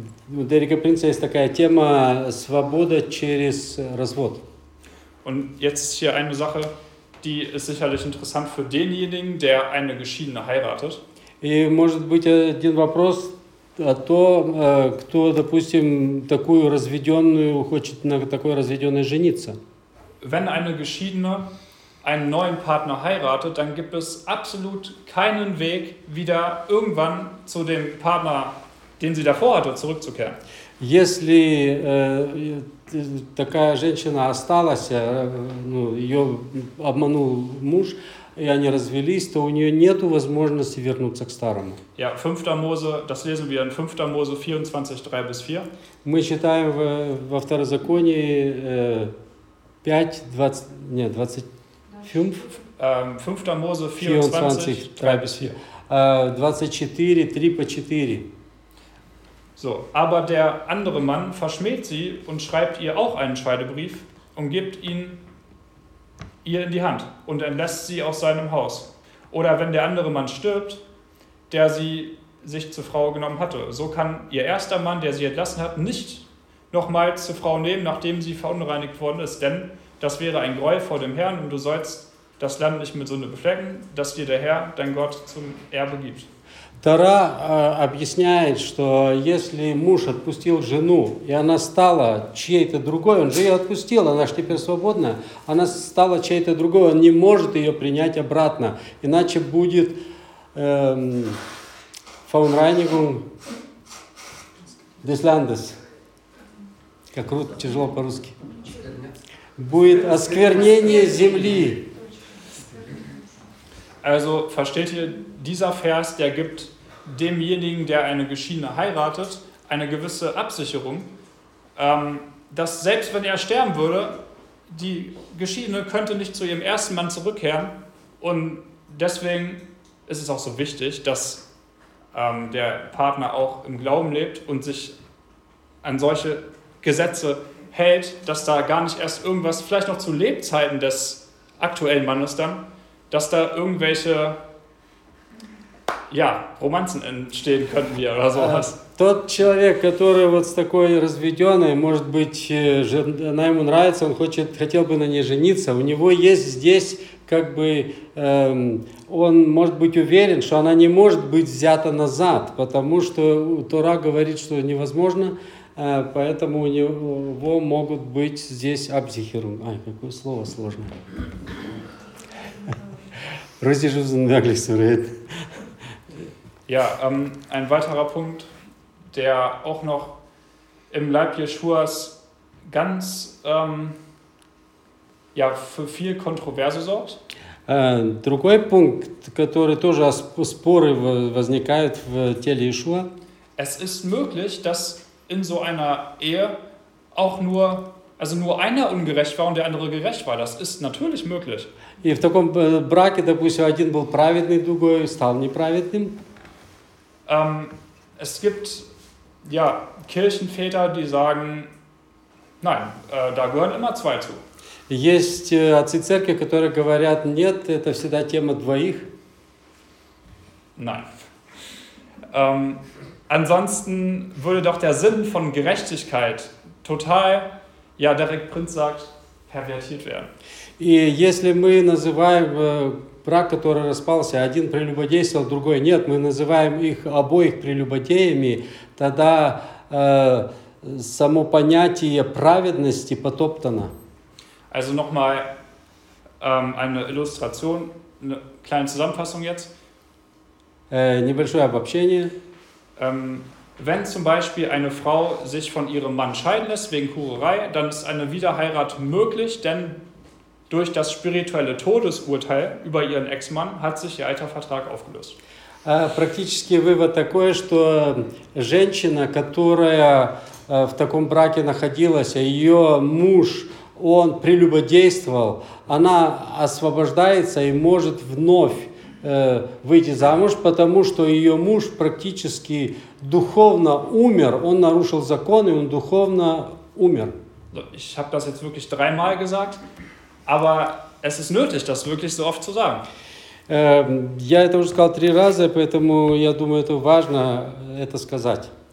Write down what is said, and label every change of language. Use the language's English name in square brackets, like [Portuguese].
[Russian] У Дерека Принца есть такая тема «Свобода через развод». [German] Und jetzt ist hier eine Sache, die ist sicherlich interessant für denjenigen, der eine Geschiedene heiratet. [Russian] И может быть один вопрос о том, кто, допустим, такую разведенную хочет на такой разведенной жениться. [German] Wenn eine Geschiedene einen neuen Partner heiratet, dann gibt es absolut keinen Weg, wieder irgendwann zu dem Partner, den sie davor hatte, zurückzukehren. [Russian] Если такая женщина осталась, ее обманул муж, и они развелись, то у нее нет возможности вернуться к старому. [German] Ja, 5. Mose, das lesen wir in 5. Mose 24, 3 bis 4. [Russian] Мы читаем во Второзаконии 5 [German] Mose 24, 3 bis 4. [Russian] 24, 3 по 4. [German] So, aber der andere Mann verschmäht sie und schreibt ihr auch einen Scheidebrief und gibt ihn ihr in die Hand und entlässt sie aus seinem Haus. Oder wenn der andere Mann stirbt, der sie sich zur Frau genommen hatte, so kann ihr erster Mann, der sie entlassen hat, nicht nochmals zur Frau nehmen, nachdem sie verunreinigt worden ist, denn das wäre ein Greuel vor dem Herrn und du sollst das Land nicht mit Sünde beflecken, das dir der Herr, dein Gott, zum Erbe gibt. [Russian] Тора объясняет, что если муж отпустил жену, и она стала чьей-то другой, он же ее отпустил, она же теперь свободна, она стала чьей-то другой, он не может ее принять обратно, иначе будет [German] Verunreinigung des Landes. [Russian] Как круто, тяжело по-русски. Будет осквернение земли. [German] Also, versteht ihr, dieser Vers, der gibt demjenigen, der eine Geschiedene heiratet, eine gewisse Absicherung, dass selbst wenn er sterben würde, die Geschiedene könnte nicht zu ihrem ersten Mann zurückkehren. Und deswegen ist es auch so wichtig, dass der Partner auch im Glauben lebt und sich an solche Gesetze hält, dass da gar nicht erst irgendwas, vielleicht noch zu Lebzeiten des aktuellen Mannes dann, dass da irgendwelche ja, Romanzen entstehen könnten hier oder sowas. [Russian] Тот человек, который вот с такой разведенной, может быть, она ему нравится, он хочет, хотел бы на ней жениться, у него есть здесь, как бы, он может быть уверен, что она не может быть взята назад, потому что Тора говорит, что невозможно, поэтому у него могут быть здесь абзихирум. Ай, какое слово сложное. Разъезжусь на английском языке. [German] Ja, ein weiterer Punkt, der auch noch im Leib Jeschuas ganz ja, für viel Kontroverse sorgt. [Russian] Другой Punkt, который тоже споры возникают в теле Иешуа. [German] Es ist möglich, dass in so einer Ehe auch nur, also nur einer ungerecht war und der andere gerecht war. Das ist natürlich möglich. [Russian] И в таком браке, допустим, один был праведный, другой стал неправедным. [German] Es gibt ja, Kirchenväter, die sagen, nein, da gehören immer zwei zu. [Russian] Есть отцы церкви, которые говорят, нет, это всегда тема двоих. [German] Nein. Ansonsten würde doch der Sinn von Gerechtigkeit total, ja, Derek Prinz sagt, pervertiert werden. [Russian] И если мы называем брак, который распался, один прелюбодействовал, другой нет, мы называем их обоих прелюбодеями, тогда само понятие праведности потоптано. [German] Also nochmal eine Illustration, eine kleine Zusammenfassung jetzt. [Russian] Небольшое обобщение. [German] Wenn zum Beispiel eine Frau sich von ihrem Mann scheiden lässt wegen Hurerei, dann ist eine Wiederheirat möglich, denn durch das spirituelle Todesurteil über ihren Ex-Mann hat sich ihr alter Vertrag aufgelöst. [Russian] Практически вывод такой, что женщина, которая в таком браке находилась, ее муж, он прелюбодействовал, она освобождается и может вновь выйти замуж, потому что ее муж практически духовно умер, он нарушил закон и он духовно умер. [German] Ich habe das jetzt wirklich dreimal gesagt, aber es ist nötig, das wirklich so oft zu sagen. [Russian] Я это уже сказал три раза, поэтому я думаю, это важно это сказать.